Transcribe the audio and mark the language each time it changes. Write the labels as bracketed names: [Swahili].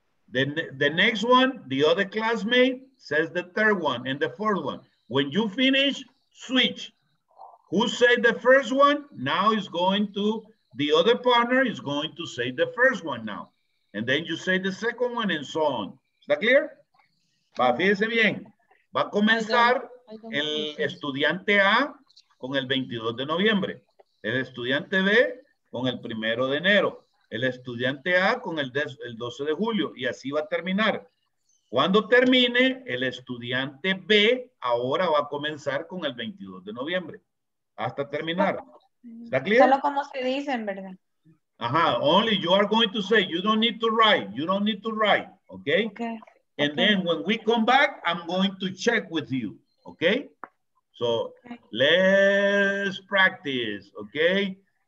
[English] Then the next one, the other classmate says the third one and the fourth one. When you finish, switch. Who said the first one? Now is going to, the other partner is going to say the first one now. And then you say the second one and so on. Is that clear? [Spanish] Va, fíjese bien. Va a comenzar el estudiante A con el 22 de noviembre. El estudiante B con el 1 de enero. El estudiante A con el 12 de julio. Y así va a terminar. Cuando termine, el estudiante B ahora va a comenzar con el 22 de noviembre. Hasta terminar. ¿Está claro? Solo como se dicen, ¿verdad? Ajá. [English] Only you are going to say, you don't need to write. You don't need to write. Okay? Okay. And okay. Then when we come back, I'm going to check with you. Okay? So okay. Let's practice. Okay?